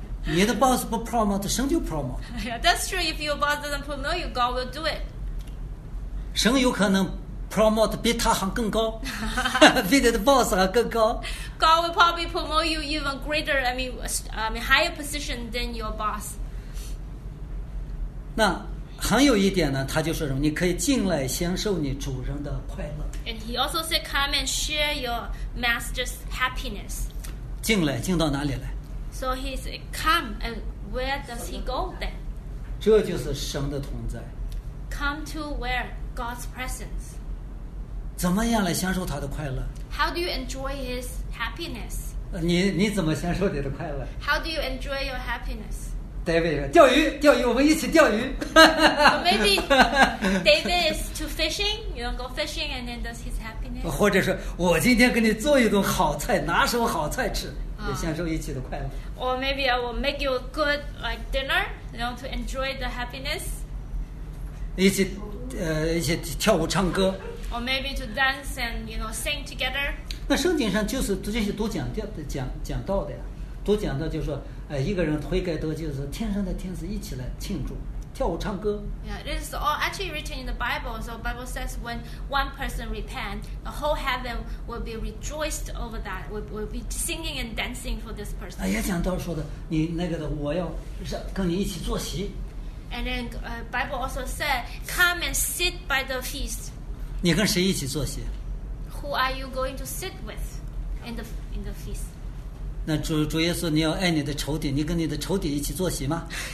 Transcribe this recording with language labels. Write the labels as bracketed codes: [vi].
[zh] 你的 boss 不 promote， 神就 promote。 [en] Yeah, that's true. If your boss doesn't promote you, God will do it. [zh] 神有可能 promote 比他还更高，比你的 boss 还更高。 [en] God will probably promote you even greater. I mean, higher position than your boss. [zh] 那还有一点呢，他就说什么？你可以进来享受你主人的快乐。 [en] And he also said, "Come and share your master's happiness." [zh] 进来，进到哪里来？ [en] So he said, come, and where does he go then? [zh] 这就是神的同在。 [en] Come to where? God's presence. [zh] 怎么样来享受他的快乐？ [en] How do you enjoy his happiness? [zh] 你怎么享受你的快乐？ [en] How do you enjoy your happiness? [zh] David, 钓鱼，钓鱼，我们一起钓鱼。 [en] Maybe David is to fishing, you know, go fishing, and then does his happiness. [zh] 或者说，我今天给你做一顿好菜，拿什么好菜吃？也享受一起的快乐。 [en] Or maybe I will make you a good like dinner, you know, to enjoy the happiness. [zh] 一起跳舞唱歌。 [en] Or maybe to dance and you know sing together. [zh] 那圣经上就是这些都讲到的呀，都讲到就是说，一个人悔改得救是天上的天使一起来庆祝。跳舞唱歌。 [en] Yeah, it is all actually written in the Bible. So the Bible says when one person repent, the whole heaven will be rejoiced over that. Will be singing and dancing for this person. [zh] 也讲到说的，你那个的，我要跟你一起坐席。 [en] And then Bible also said, come and sit by the feast. [zh] 你跟谁一起坐席？ [en] Who are you going to sit with in the feast? [zh] 那主耶稣，你要爱你的仇敌，你跟你的仇敌一起坐席吗？